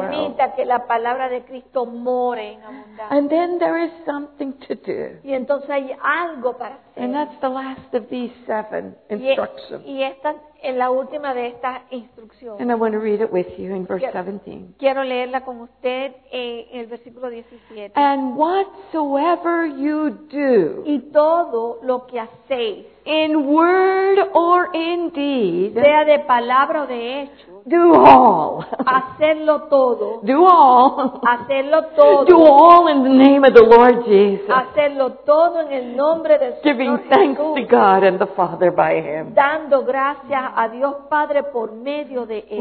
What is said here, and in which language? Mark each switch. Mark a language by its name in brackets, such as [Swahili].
[Spanish] Permita que la palabra de Cristo more en abundancia. [English] And then there is something to do. [Spanish] Y entonces hay algo para hacer. [English] And that's the last of these seven instructions. [Spanish] Y esta es la última de estas instrucciones. [English] And I want to read it with you in verse 17. [Spanish] Quiero leerla con usted en el versículo 17. [English] And whatsoever you do. [Spanish] Y todo lo que hacéis. [English] In word or in deed. [Spanish] Sea de palabra o de hecho. [English] Do all. [Spanish] Hacerlo todo. [English] Do all. [Spanish] Hacerlo todo. [English] Do all in the name of the Lord Jesus. [Spanish] Hacerlo todo en el nombre del Señor. [English] Giving thanks to God and the Father by Him. [Spanish] Dando gracias a Dios Padre por medio de Él.